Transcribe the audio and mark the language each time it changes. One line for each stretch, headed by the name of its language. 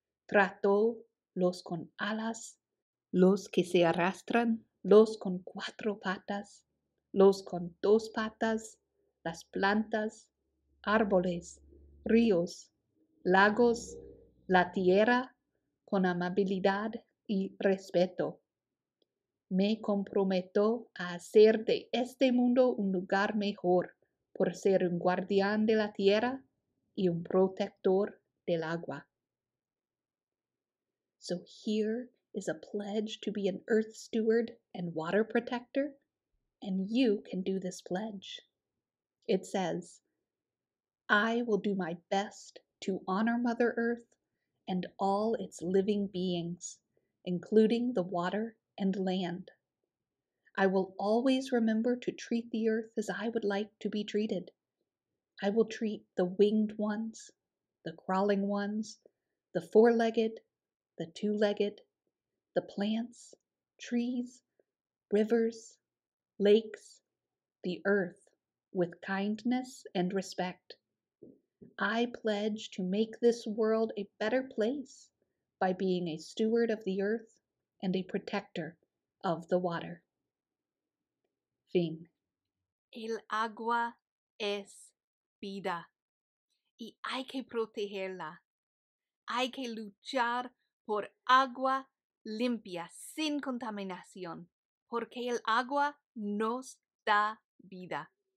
Spanish: Trato los con alas, los que se arrastran, los con cuatro patas, los con dos patas, las plantas, árboles, ríos, lagos, la tierra, con amabilidad y respeto. Me comprometo a hacer de este mundo un lugar mejor por ser un guardián de la tierra y un protector del agua.
English: So here is a pledge to be an earth steward and water protector, and you can do this pledge. It says, I will do my best to honor Mother Earth and all its living beings, including the water and land. I will always remember to treat the earth as I would like to be treated. I will treat the winged ones, the crawling ones, the four-legged, the two-legged, the plants, trees, rivers, lakes, the earth, with kindness and respect. I pledge to make this world a better place by being a steward of the earth and a protector of the water.
Spanish: Fin. El agua es vida, y hay que protegerla. Hay que luchar por agua limpia, sin contaminación, porque el agua nos da vida.